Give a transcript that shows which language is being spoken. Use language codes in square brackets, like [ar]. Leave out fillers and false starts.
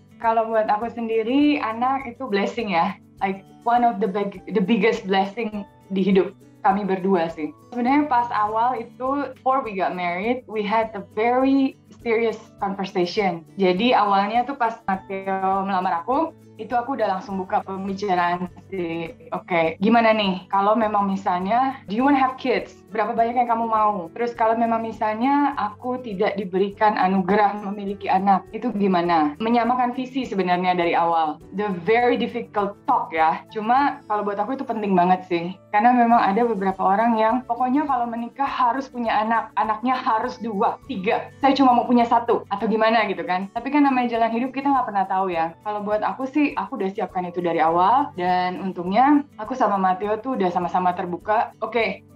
[id] Kalau buat aku sendiri, anak itu blessing ya. [en] Like one of the biggest blessing [id] di hidup kami berdua sih. Sebenarnya pas awal itu, [en] before we got married, we had a very serious conversation. [id] Jadi awalnya tuh pas Mateo melamar aku, itu aku udah langsung buka pembicaraan sih. [en] Okay, [id] gimana nih? Kalau memang misalnya, [en] do you want to have kids? [id] Berapa banyak yang kamu mau? Terus kalau memang misalnya aku tidak diberikan anugerah memiliki anak, itu gimana? Menyamakan visi sebenarnya dari awal. [en] The very difficult talk ya. [id] Cuma kalau buat aku itu penting banget sih. Karena memang ada beberapa orang yang pokoknya kalau menikah harus punya anak. Anaknya harus 2, 3. Saya cuma mau punya 1. Atau gimana gitu kan. Tapi kan namanya jalan hidup kita nggak pernah tahu ya. Kalau buat aku sih, aku udah siapkan itu dari awal. Dan untungnya aku sama Mateo tuh udah sama-sama terbuka. Okay.